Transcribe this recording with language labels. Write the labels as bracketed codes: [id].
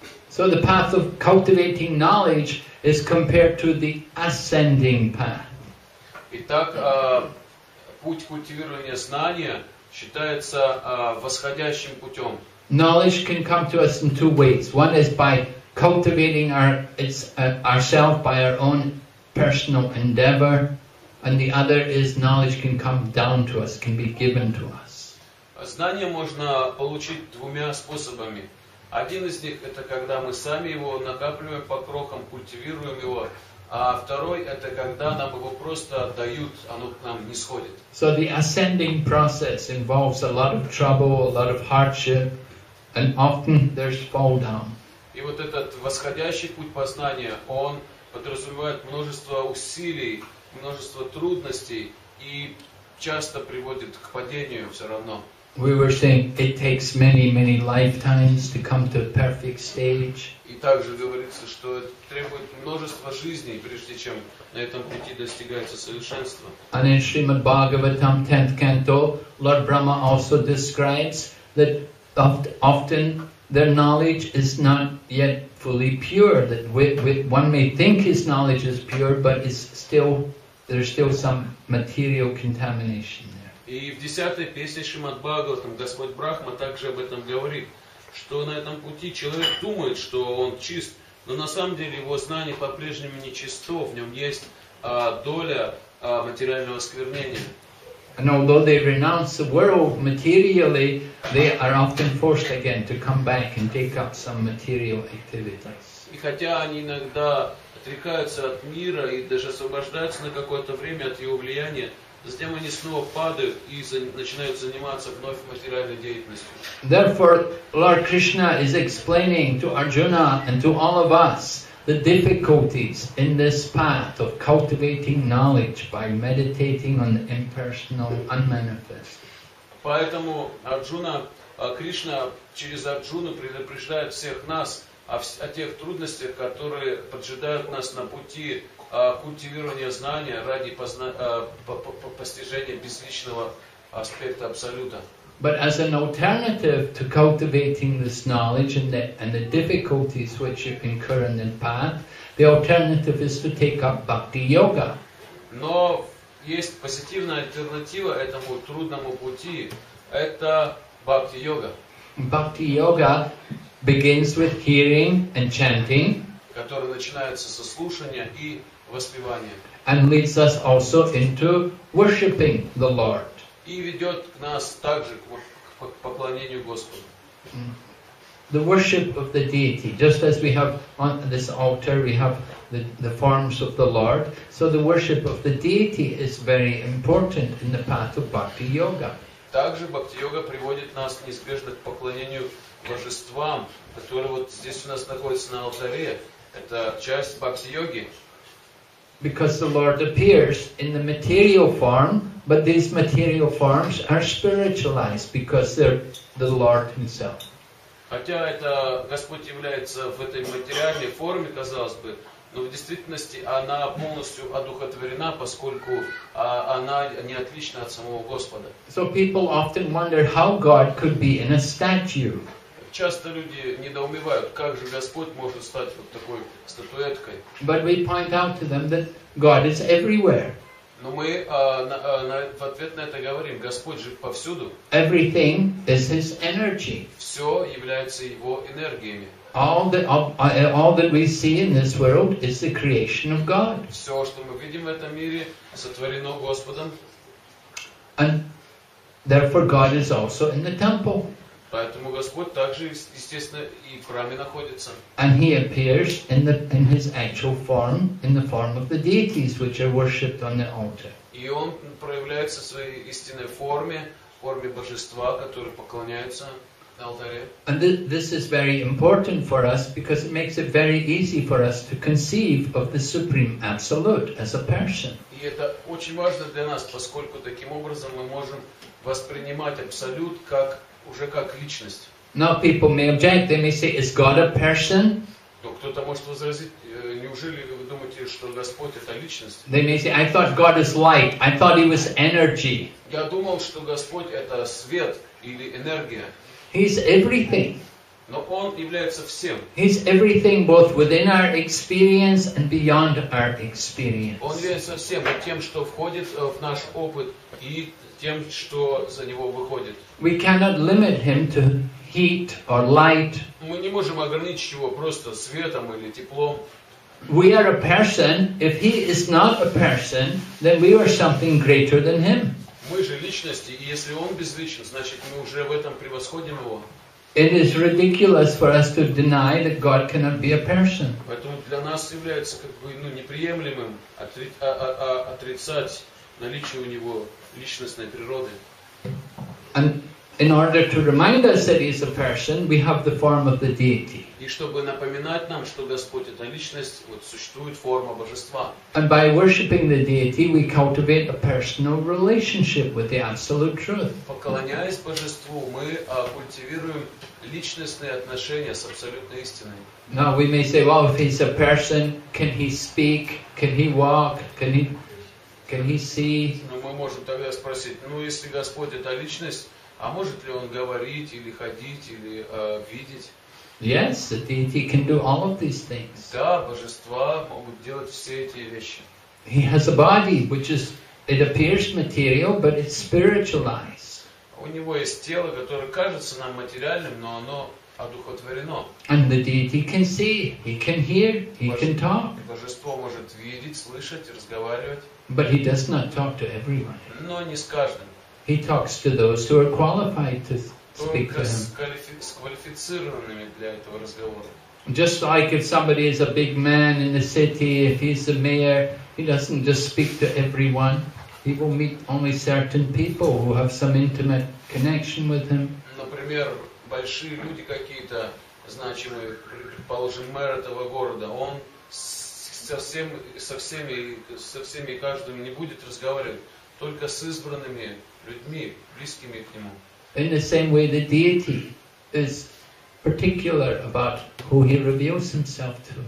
[en] So the path of cultivating knowledge is compared to the ascending path. [ru] Итак, путь культивирования знания считается восходящим путем. [en] Knowledge can come to us in two ways. One is by cultivating ourselves by our own personal endeavor, and the other is knowledge can come down to us, can be given to us. [ru] Знание можно получить двумя способами. Один из них – это когда мы сами его накапливаем по крохам, культивируем его. А второй – это когда нам его просто дают, оно к нам нисходит. [en] So the ascending process involves a lot of trouble, a lot of hardship, and often there's fall down. [ru] И вот этот восходящий путь познания, он подразумевает множество усилий, множество трудностей и часто приводит к падению все равно. [en] We were saying it takes many, many lifetimes to come to a perfect stage. [ru] И также говорится, что это требует множества жизней, прежде чем на этом пути достигается совершенство. [en] And in Srimad Bhagavatam, 10th canto, Lord Brahma also describes that often their knowledge is not yet fully pure. That one may think his knowledge is pure, but there's still some material contamination. [ru] И в 10-й песне Шримад Бхагаватам Господь Брахма также об этом говорит, что на этом пути человек думает, что он чист, но на самом деле его знание по-прежнему не чисто, в нем есть доля материального осквернения. [en] And although they renounce the world materially, they are often forced again to come back and take up some material activities. [ru] И хотя они иногда отрекаются от мира и даже освобождаются на какое-то время от его влияния, затем они снова падают и начинают заниматься вновь материальной деятельностью. [en] Therefore, Lord Krishna is explaining to Arjuna and to all of us the difficulties in this path of cultivating knowledge by meditating on the impersonal, unmanifest. [ru] Поэтому Арджуна, Кришна через Арджуну предупреждает всех нас о тех трудностях, которые поджидают нас на пути культивирования знания ради постижения безличного аспекта Абсолюта. [en] But as an alternative to cultivating this knowledge and the difficulties which you incur in the path, the alternative is to take up bhakti yoga. [ru] Но есть позитивная альтернатива этому трудному пути. Это бхакти йога. [en] Бхакти йога begins with hearing and chanting, [ru] которая начинается со слушания и воспевания, [en] and leads us also into worshiping the Lord. [ru] И ведет к нас также к поклонению Господу. [en] The worship of the deity, just as we have on this altar, we have the forms of the Lord. So the worship of the deity is very important in the path of Bhakti Yoga. [ru] Также Бхакти Йога приводит нас неизбежно к поклонению божествам, которые вот здесь у нас находятся на алтаре. Это часть Бхакти Йоги. [en] Because the Lord appears in the material form, but these material forms are spiritualized because they're the Lord Himself. [ru] Хотя это Господь является в этой материальной форме, казалось бы, но в действительности она полностью одухотворена, поскольку она не отлична от самого Господа. [en] So people often wonder how God could be in a statue. [ru] Часто люди недоумевают, как же Господь может стать вот такой статуэткой. [en] But we point out to them that God is everywhere. [ru] Но мы в ответ на это говорим, Господь же повсюду. [en] Everything is His energy. [ru] Все является Его энергиями. [en] All that we see in this world is the creation of God. [ru] Все, что мы видим в этом мире, сотворено Господом. [en] And therefore God is also in the temple. [ru] Поэтому Господь также, естественно, и в храме находится. [en] And He appears in His actual form, in the form of the deities which are worshipped on the altar. [ru] И Он проявляется в своей истинной форме, в форме божества, которые поклоняются на алтаре. [en] And this is very important for us because it makes it very easy for us to conceive of the Supreme Absolute as a person. [ru] И это очень важно для нас, поскольку таким образом мы можем воспринимать Абсолют как уже как личность. [en] Now people may object, they may say, is God a person? [ru] Но кто-то может возразить, неужели вы думаете, что Господь это личность? [en] They may say, I thought God is light, I thought He was energy. [ru] Я думал, что Господь это свет или энергия. [en] He's everything. [ru] Но Он является всем. [en] He's everything both within our experience and beyond our experience. [ru] Он является всем, и тем, что входит в наш опыт, и тем, что за него выходит. [en] We cannot limit him to heat or light. [ru] Мы не можем ограничить его просто светом или теплом. [en] We are a person. If he is not a person, then we are something greater than him. [ru] Мы же личности, и если он безличен, значит мы уже в этом превосходим его. [en] It is ridiculous for us to deny that God cannot be a person. [ru] Поэтому для нас является как бы неприемлемым отрицать наличие у него личностной природы. [en] And in order to remind us that He is a person, we have the form of the deity. [ru] И чтобы напоминать нам, что Господь это личность, вот существует форма божества. [en] And by worshipping the deity, we cultivate a personal relationship with the absolute truth. [ru] Поклоняясь божеству, мы культивируем личностные отношения с абсолютной истиной. [en] Now we may say, well, if He's a person, can He speak? Can He walk? Can he see? [ru] Ну, мы можем тогда спросить, ну, если Господь это личность, а может ли Он говорить, или ходить, или видеть? [en] Yes, the deity can do all of these things. [ru] Да, божества могут делать все эти вещи. [en] He has a body, which is, it appears material, but it's spiritualized. [ru] У него есть тело, которое кажется нам материальным, но оно одухотворено. [en] And the deity can see, he can hear, he can talk. [ru] Божество может видеть, слышать, разговаривать. [en] But he does not talk to everyone. [ru] Но не с каждым. [en] He talks to those who are qualified to speak to him. [ru] С квалифицированными для этого разговора. [en] Just like if somebody is a big man in the city, if he's the mayor, he doesn't just speak to everyone. He will meet only certain people who have some intimate connection with him. [ru] Например, большие люди какие-то значимые, предположим, мэр этого города, он со всеми каждым не будет разговаривать, только с избранными людьми, близкими к нему. [en] In the same way, the deity is particular about who he reveals himself to.